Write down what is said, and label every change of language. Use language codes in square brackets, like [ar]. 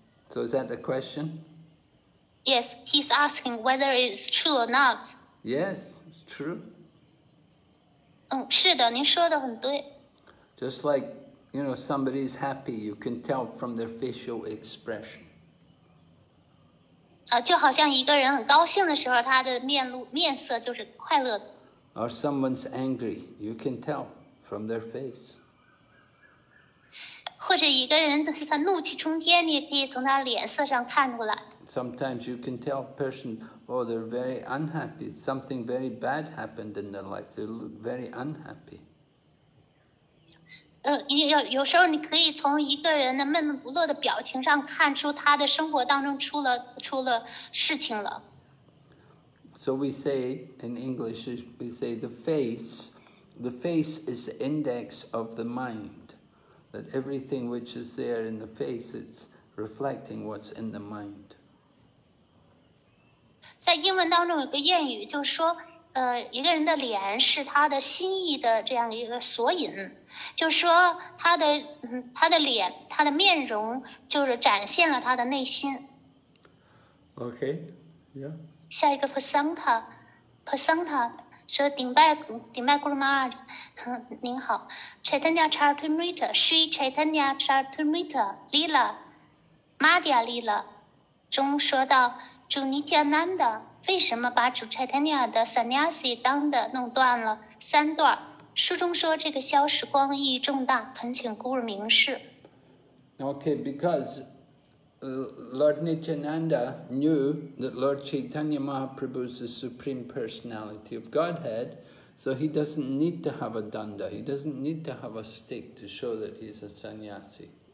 [en] So is that the question? Yes, he's asking whether it's true or not. Yes, it's true. [zh] 嗯，是的，您说的很对。 [en] Just like, you know, somebody's happy, you can tell from their facial expression. [zh] 啊，就好像一个人很高兴的时候，他的面色就是快乐的。 [en] Or someone's angry, you can tell from their face. [zh] 或者一个人他怒气冲天，你也可以从他脸色上看出来。 [en] Sometimes you can tell a person, oh, they're very unhappy. Something very bad happened in their life. They look very unhappy. [zh] 有时候你可以从一个人的闷闷不乐的表情上看出他的生活当中出了事情了。 [en] So we say in English, we say the face is the index of the mind. That everything which is there in the face, it's reflecting what's in the mind. [zh] 在英文当中有个谚语，就是说，一个人的脸是他的心意的这样一个索引，就是说，他的脸，他的面容，就是展现了他的内心。 [en] Okay, yeah. [zh] 下一个 Pasanta. 说顶拜 Guru Maharaj， 您好 ，Chaitanya Charitamrita， Sri Chaitanya Charitamrita Lila， Madhya Lila 中说到，主尼加南达为什么把主 Chaitanya 的 Sannyasi 当的弄断了三段？书中说这个消失光意义重大，恳请 Guru 明示。 [en] Okay, because Lord Nityananda knew that Lord Chaitanya Mahaprabhu is the Supreme Personality of Godhead, so he doesn't need to have a danda, he doesn't need to have a stick to show that he's a sannyasi.